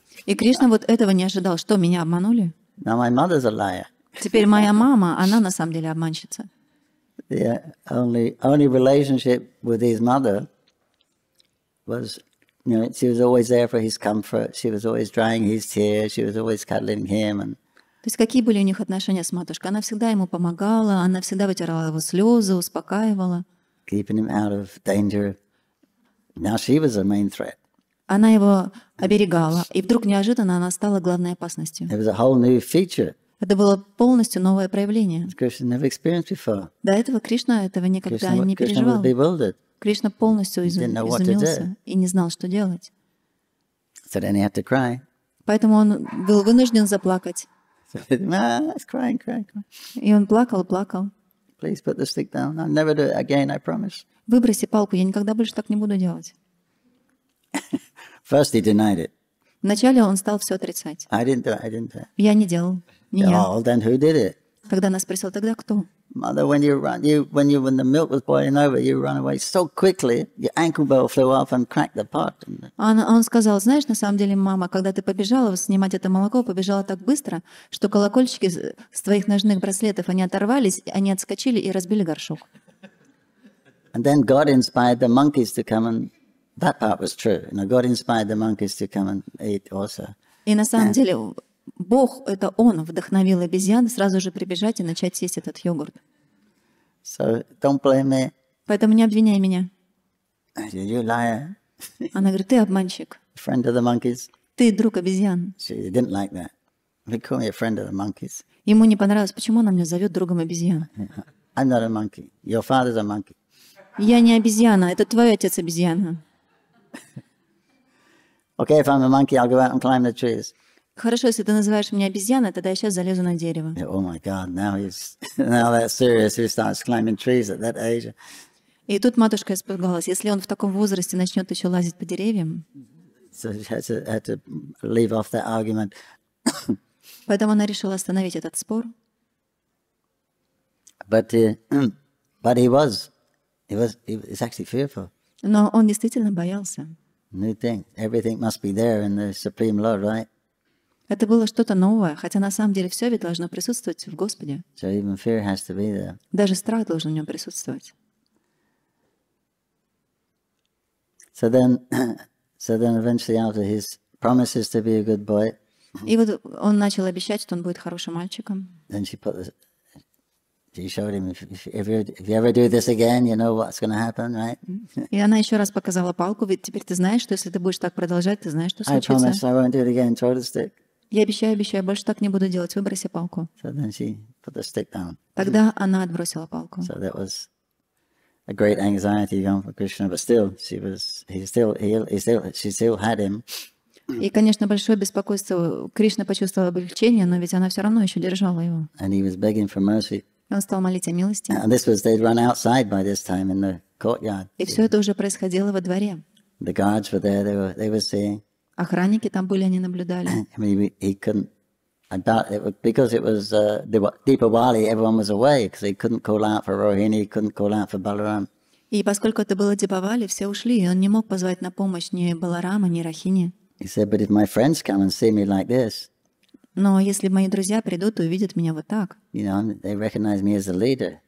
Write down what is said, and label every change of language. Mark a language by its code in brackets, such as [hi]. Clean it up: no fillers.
[ru] И Кришна вот этого не ожидал. Что, меня обманули? [en] Now my mother's a liar. [ru] Теперь моя мама, она на самом деле обманщица. [en] Yeah, only relationship with his mother. Was, you know, she was always there for his comfort. She was always drying his tears. She was always cuddling him. [ru] То есть какие были у них отношения с матушкой? Она всегда ему помогала. Она всегда вытирала его слезы, успокаивала. [en] Keeping him out of danger. Now she was the main threat. [ru] Она его оберегала, и вдруг неожиданно она стала главной опасностью. [en] It was a whole new feature. [ru] Это было полностью новое проявление. [en] Krishna never experienced before. [ru] До этого Кришна этого никогда не переживал. Кришна полностью изумился и не знал, что делать. [en] So then he had to cry. [ru] Поэтому он был вынужден заплакать. [en] crying. [ru] И он плакал. [en] Please put the stick down. I'll never do it again, I promise. [ru] Выброси палку, я никогда больше так не буду делать. [en] First he denied it. [ru] Вначале он стал все отрицать. [en] I didn't do it. [ru] Я не делал. Не я. [en] Oh, then who did it? [ru] Когда нас спросил, тогда кто? [en] Mother, when the milk was boiling over, you ran away so quickly, your ankle bone flew off and cracked the pot. [ru] Он сказал, знаешь, на самом деле, мама, когда ты побежала снимать это молоко, побежала так быстро, что колокольчики с твоих ножных браслетов они оторвались, они отскочили и разбили горшок. [en] And then God inspired the monkeys to come, and that part was true. You know, God inspired the monkeys to come and eat also. [ru] И на самом деле. Бог, это Он, вдохновил обезьян сразу же прибежать и начать съесть этот йогурт. [en] So, don't blame me. [ru] Поэтому не обвиняй меня. [en] You liar. [ru] Она говорит, ты обманщик. [en] Friend of the monkeys. [ru] Ты друг обезьян. [en] She didn't like that. They call me a friend of the monkeys. [ru] Ему не понравилось, почему она меня зовет другом обезьян. [en] I'm not a monkey. Your father's a monkey. [ru] Я не обезьяна, это твой отец обезьяна. [en] Okay, if I'm a monkey, I'll go out and climb the trees. [ru] Хорошо, если ты называешь меня обезьяной, тогда я сейчас залезу на дерево. [en] Yeah, oh my God, now that's serious. He starts climbing trees at that age. [ru] И тут матушка испугалась, если он в таком возрасте начнет еще лазить по деревьям. [en] So she had to leave off that argument. [ru] Поэтому она решила остановить этот спор. [en] But he was actually fearful. [ru] Но он действительно боялся. [en] New thing. Everything must be there in the supreme law, right? [ru] Это было что-то новое, хотя на самом деле все ведь должно присутствовать в Господе. [en] So even fear has to be there. [ru] Даже страх должен в нем присутствовать. [en] So then eventually after his promises to be a good boy. [ru] И вот он начал обещать, что он будет хорошим мальчиком. [en] Then she put this, she showed him, if you ever do this again, you know what's going to happen, right? [ru] И она еще раз показала палку, ведь теперь ты знаешь, что если ты будешь так продолжать, ты знаешь, что случится. [en] I promise I won't do it again, throw the stick. [ru] Я обещаю, больше так не буду делать. Выброси палку. [en] So then she put the stick down. [ru] Тогда она отбросила палку. [en] So that was a great anxiety going for Krishna, but still, she still had him. [ru] И, конечно, большое беспокойство. Кришна почувствовала облегчение, но ведь она все равно еще держала его. [en] And he was begging for mercy. [ru] Он стал молить о милости. [en] And this was, they'd run outside by this time in the courtyard. [ru] И все это уже происходило во дворе. [en] The guards were there. They were seeing. [ru] Охранники там были, они наблюдали. [en] I mean, he couldn't. I doubt it was, because it was Deepavali. Everyone was away because he couldn't call out for Rohini. He couldn't call out for Balaram. [ru] И поскольку это было Дипавали, все ушли, и он не мог позвать на помощь ни Баларама, ни Рахини. [en] He said, but if my friends come and see me like this. [ru] Но если мои друзья придут и увидят меня вот так. [en] You know, they recognize me as a leader.